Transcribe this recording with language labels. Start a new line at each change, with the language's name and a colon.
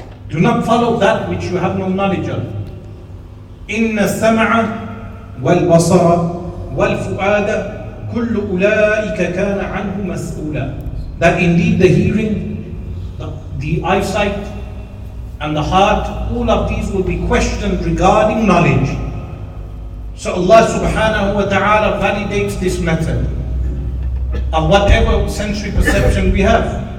English: Do not follow that which you have no knowledge of.
Arabic: إِنَّ السَّمَعَ وَالْبَصَرَ وَالْفُؤَادَ كُلُّ أُولَٰئِكَ كَانَ عَنْهُ مَسْئُولًا.
English: That indeed the hearing, the eyesight, and the heart, all of these will be questioned regarding knowledge. So Allah subhanahu wa ta'ala validates this method of whatever sensory perception we have.